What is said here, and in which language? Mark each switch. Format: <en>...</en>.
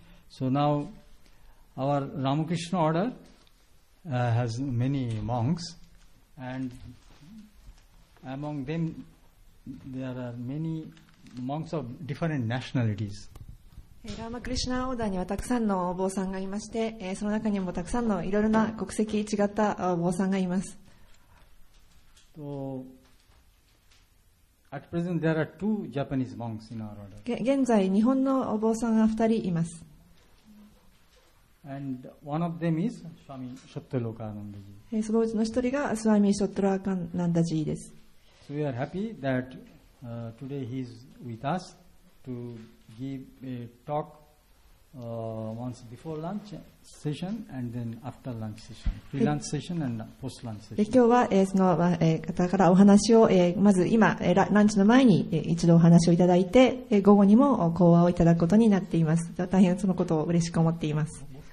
<en>So now our Ramakrishna order has many monks, and among them there are many monks of different nationalities.</en> <ja>ラーマクリシナオーダーにはたくさんのお坊さんがいまして、その中にもたくさんのいろいろな国籍違ったお坊さんがいます。</ja> <en>So, at present there are two Japanese monks in our order.</en> <ja>現在日本のお坊さんが2人います。</ja> <en>And one of them is Swami Shottalokananda ji.</en> <ja>そのうちの一人がスワミショットラカナンダジです。</ja> <en>So we are happy that today he is with us. to give a talk once before lunch session and then after lunch session, pre-lunch session and post-lunch session.</en> <ja>今日は、その、方からお話を、まず今、ランチの前に、一度お話をいただいて、午後にも講話をいただくことになっています。大変そのことを嬉しく思っています。</ja>